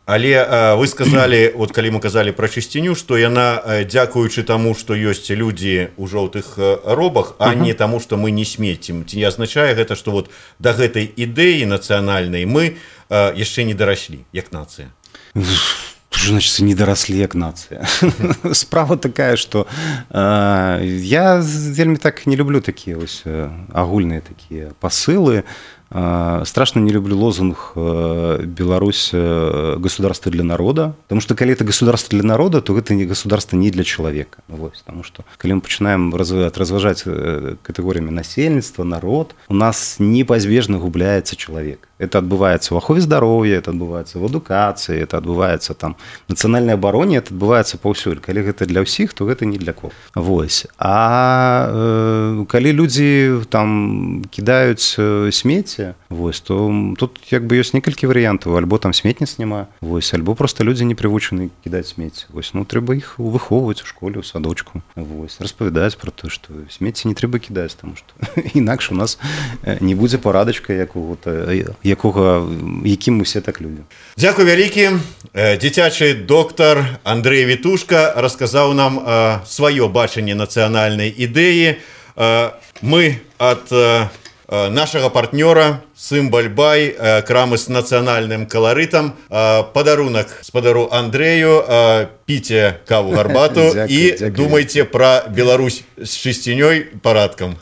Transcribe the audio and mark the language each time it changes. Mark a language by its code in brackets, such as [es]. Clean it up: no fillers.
[be] Але вы сказалі, от калі мы казалі пра чысціню, што яна дзякуючы таму, што ёсць людзі ў жоўтых робах, а не таму, што мы не смецім. Ці азначае гэта, што вот да гэтай ідэі нацыянальнай мы яшчэ не дараслі як нацыя? [ru] Что значит, не доросли як нация? Справа такая, что я вельми так не люблю такие вот агульные такие посылы. Страшно не люблю лозунг «Беларусь – государство для народа». Потому что, когда это государство для народа, то это не государство не для человека. Вот, потому что, когда мы начинаем развожать категориями насельництва, народ, у нас непозбежно губляется человек. Это отбывается в ахове здоровья, это отбывается в адукации, это отбывается там в национальной обороне, это отбывается повсюль. Коли это для всех, то это не для кого. Вот. А коли люди там кидают смети, вот, то тут как бы есть несколько вариантов. Альбо там сметь не снимают, вот, альбо просто люди не привычены кидать смети. Вот. Ну, треба их выховывать в школе, в садочку. Вот. Расповедать про то, что смети не треба кидать, потому что иначе у нас не будет парадочка какого-то... якого, яким мы все так любим. [be] Дякую вялікі. Дзіцячы доктор Андрей Вітушка расказаў нам сваё бачанне нацыянальнай ідэі. Мы ад нашага партнёра Symbol by, крамы з нацыянальным каларытам, падарунак спадару Андрею, піце каву, гарбату і думайце пра Беларусь з чысцінёй, парадкам.